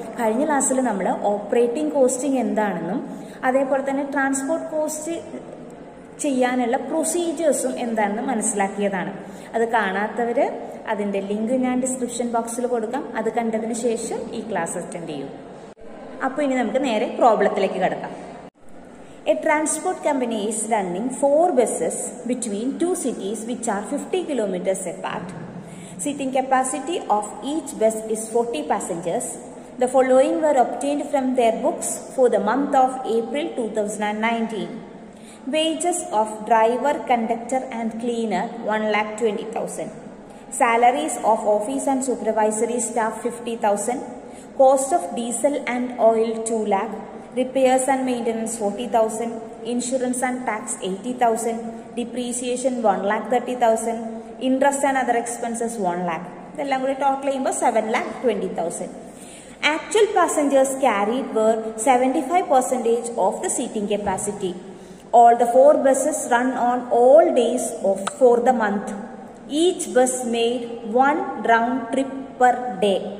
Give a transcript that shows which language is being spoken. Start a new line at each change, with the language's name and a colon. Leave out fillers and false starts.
Malayalam: കഴിഞ്ഞ ക്ലാസ്സിൽ നമ്മൾ ഓപ്പറേറ്റിംഗ് കോസ്റ്റിംഗ് എന്താണെന്നും അതേപോലെ തന്നെ ട്രാൻസ്പോർട്ട് കോസ്റ്റ് ചെയ്യാനുള്ള പ്രൊസീജിയേഴ്സും എന്താണെന്നും മനസ്സിലാക്കിയതാണ്. അത് കാണാത്തവർ അതിൻ്റെ ലിങ്ക് ഞാൻ ഡിസ്ക്രിപ്ഷൻ ബോക്സിൽ കൊടുക്കാം, അത് കണ്ടതിന് ശേഷം ഈ ക്ലാസ് അറ്റൻഡ് ചെയ്യും. അപ്പോൾ ഇനി നമുക്ക് നേരെ പ്രോബ്ലത്തിലേക്ക് കടക്കാം.
English: A transport company is running 4 buses between 2 cities which are 50 kilometers apart. Seating capacity of each bus is 40 passengers. The following were obtained from their books for the month of April 2019. Wages of driver, conductor and cleaner 1,20,000. Salaries of office and supervisory staff 50,000. Cost of diesel and oil 2 lakh. Repairs and maintenance 40,000, insurance and tax 80,000, depreciation 1,30,000, interest and other expenses 1 lakh.
Malayalam: ഇതെല്ലാം കൂടി total ചെയ്യുമ്പോൾ 7,20,000.
English: Actual passengers carried were 75% of the seating capacity. All the 4 buses run on all days of for the month. Each bus made 1 round trip per day.